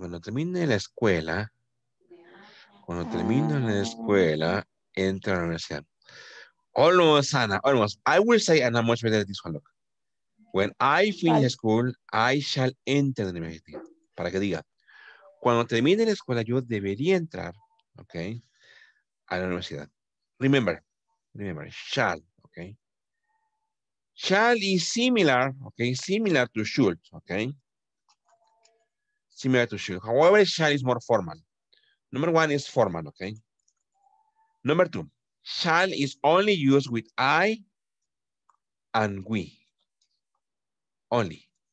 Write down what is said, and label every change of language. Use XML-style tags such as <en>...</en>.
<es>Cuando termine la escuela, cuando termino la escuela,</es> <en>enter</en> <es>la universidad.</es> <en>Almost, Anna, almost. I will say, Anna, much better at this one. Look. When I finish school, I shall enter the university.</en> <es>Para que diga. Cuando termine la escuela, yo debería entrar, okay, a la universidad.</es> <en>Remember, shall, okay. Shall is similar, okay, similar to should, okay. Similar to should. However, shall is more formal. Number one is formal, okay. Number two, shall is only used with I and we. Only,</en>